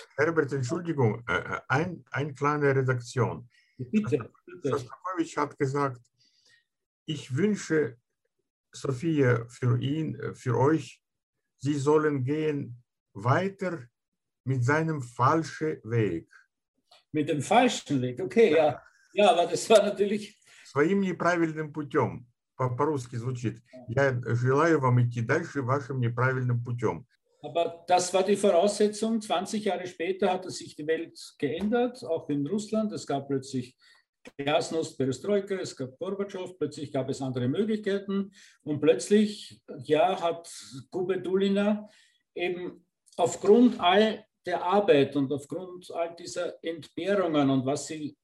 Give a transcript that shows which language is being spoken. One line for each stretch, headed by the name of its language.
German: Herbert, Entschuldigung, eine kleine Redaktion. Bitte. Schostakowitsch hat gesagt, ich wünsche Sophia für ihn, für euch, sie sollen gehen weiter mit seinem falschen Weg. Mit dem falschen Weg, okay, ja. Ja, aber das war natürlich...
Russian: Своим неправильным путем, по-русски звучит. Я желаю вам идти дальше вашим неправильным путем.
German: Aber das war die Voraussetzung. 20 Jahre später hat sich die Welt geändert, auch in Russland. Es gab plötzlich Glasnost, Perestroika, es gab Gorbatschow, plötzlich gab es andere Möglichkeiten. Und plötzlich, ja, hat Kupetulina eben aufgrund all der Arbeit und aufgrund all dieser Entbehrungen und was sie...